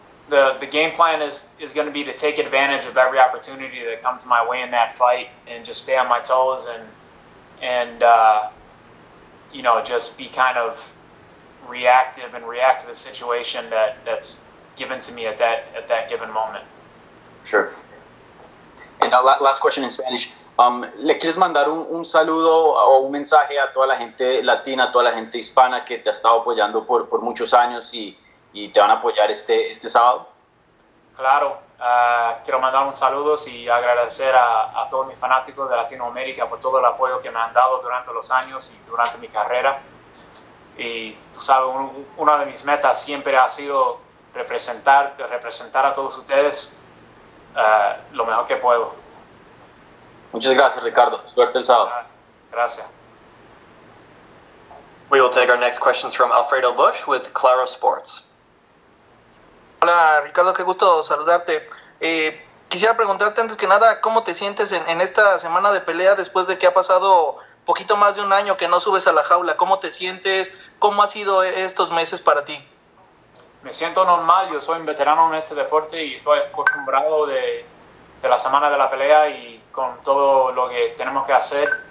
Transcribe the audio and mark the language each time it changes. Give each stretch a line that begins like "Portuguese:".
English: The game plan is going to be to take advantage of every opportunity that comes my way in that fight and just stay on my toes and you know, just be kind of reactive and react to the situation that's given to me at that given moment. Sure. And last question in Spanish.
Spanish: Le quieres mandar un saludo o un mensaje a toda la gente latina, toda la gente hispana que te ha estado apoyando por muchos años y te van a apoyar este sábado? Claro. Quiero mandar un saludo y agradecer a todos mis fanáticos de Latinoamérica por todo el apoyo que me han dado durante los años y durante mi carrera. Y tú sabes, una de mis metas siempre ha sido representar a todos ustedes. Lo mejor que puedo. Muchas gracias, Ricardo. Suerte el sábado. Gracias.
English: We will take our next questions from Alfredo Bush with Claro Sports.
Spanish: Hola, Ricardo, qué gusto saludarte. Quisiera preguntarte antes que nada, ¿cómo te sientes en esta semana de pelea después de que ha pasado poquito más de un año que no subes a la jaula? ¿Cómo te sientes? ¿Cómo ha sido estos meses para ti? Me siento normal, yo soy un veterano en este deporte y estoy acostumbrado de la semana de la pelea y con todo lo que tenemos que hacer.